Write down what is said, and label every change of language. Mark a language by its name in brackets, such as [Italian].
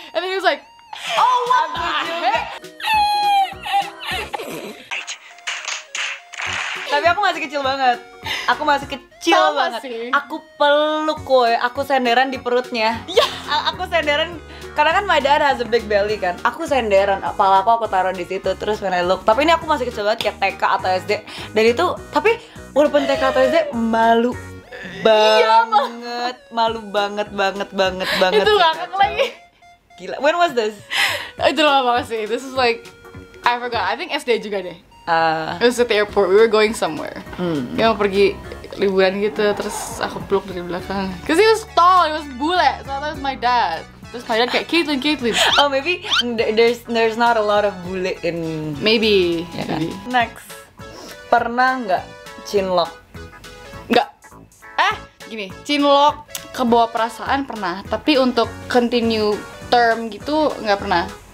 [English] And then he was like, "Oh, what the heck?" [Indonesian] Tapi aku masih kecil banget. Aku masih kecil sama banget. Sih. Aku peluk coy. Aku senderan di perutnya. Aku senderan. Karena kan [English] my dad has a big belly [Indonesian] kan. Aku senderan, kepala aku taruh di situ terus [English] when I look. [Indonesian] Tapi ini aku masih kecil banget kayak TK atau SD. Dan itu tapi walaupun TK atau SD malu banget, malu banget. Itu enggak akan lagi. [English] Gila. When was this? [Indonesian] Itu lama banget sih. [English] This is like I forgot. I think SD juga deh. It was at the airport. We were going somewhere. [Indonesian] Ya mau pergi liburan gitu terus aku peluk dari belakang. [English] Cause he was tall, he was bule. So that was my dad. Terus my dad kayak, Caitlin. Oh, maybe there's not a lot of bule in... Maybe, yeah, maybe. [Indonesian] Kan? Next. Pernah nggak chinlock? Nggak. Eh, gini, cinlok ke bawah perasaan pernah, tapi untuk continue term gitu nggak pernah.